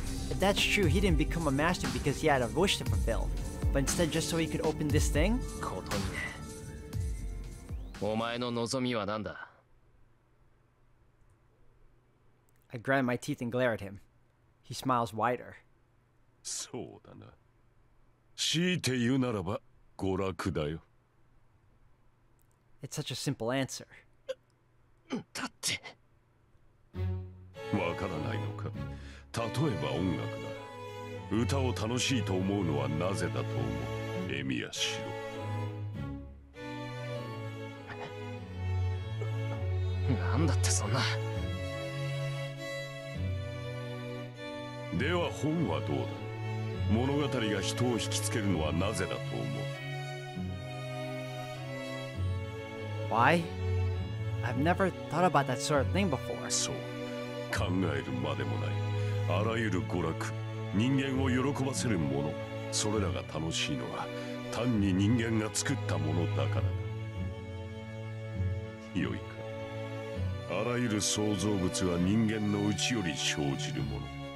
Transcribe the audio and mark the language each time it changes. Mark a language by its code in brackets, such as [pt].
[en] If that's true, he didn't become a master because he had a wish to fulfill, but instead just so he could open this thing? [ja] ことにね。お前の望みは何だ? [en] I grind my teeth and glare at him. He smiles wider. [ja] そうだな。強いて言うならば、娯楽だよ。 [en] It's such a simple answer. [ja] だって… わからないのか。例えば音楽だ。歌を楽しいと思うのはなぜだと思う、エミヤシロ。なんだってそんな。では本はどうだ。物語が人を引きつけるのはなぜだと思う。 [en] Why? I've never thought about that sort of thing before. [ja] そう、考えるまでもない。あらゆる娯楽、人間を喜ばせるもの、それらが楽しいのは単に人間が作ったものだからだ。よいか。あらゆる創造物は人間の内より生じるもの。